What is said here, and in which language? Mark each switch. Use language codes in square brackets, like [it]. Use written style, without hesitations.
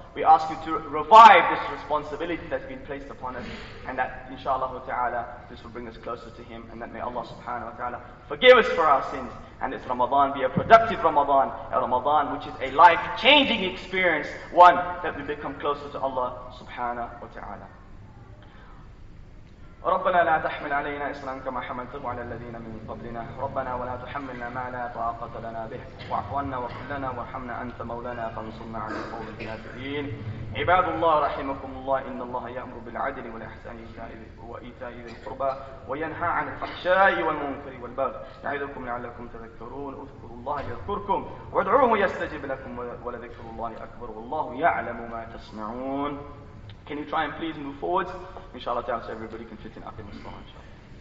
[en] We ask you to revive this responsibility that's been placed upon us, and that inshallah ta'ala this will bring us closer to him, and that may Allah subhanahu wa ta'ala forgive us for our sins, and this Ramadan be a productive Ramadan, a Ramadan which is a life-changing experience, one that we become closer to Allah subhanahu wa ta'ala. [ar] ربنا لا تحمل علينا إصرا كما حملته على الذين من قبلنا، ربنا ولا تحملنا ما لا طاقة لنا به، واعف عنا واغفر لنا وارحمنا أنت مولانا فانصرنا على القوم الكافرين. عباد الله رحمكم الله، إن الله يأمر بالعدل والإحسان وإيتاء ذي القربى وينهى عن الفحشاء والمنكر والبغي يعظكم لعلكم تذكرون. اذكروا الله يذكركم وادعوه يستجب لكم ولذكر الله أكبر والله يعلم ما تصنعون. [en] Can you try and please move forwards? Inshallah, so everybody can fit in. Aqim as-salah, inshallah.